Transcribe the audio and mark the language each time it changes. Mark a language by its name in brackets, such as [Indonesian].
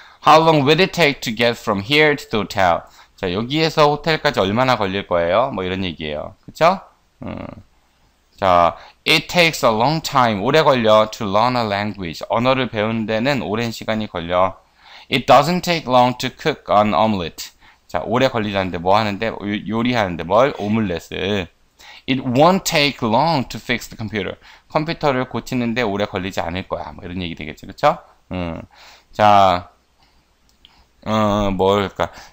[English] How long will it take to get from here to the hotel? [Korean] 자, 여기에서 호텔까지 얼마나 걸릴 거예요? 뭐 이런 얘기예요. 그쵸? 자, [English] it takes a long time. [Korean] 오래 걸려. [English] To learn a language. [Korean] 언어를 배우는 데는 오랜 시간이 걸려. [English] It doesn't take long to cook an omelette. [Korean] 자, 오래 걸리자는데 뭐 하는데? 요리하는데 뭘? 오믈렛을. [English] It won't take long to fix the computer. [Korean] 컴퓨터를 고치는데 오래 걸리지 않을 거야. 뭐 이런 얘기 되겠죠. 그쵸? 자, 뭘까?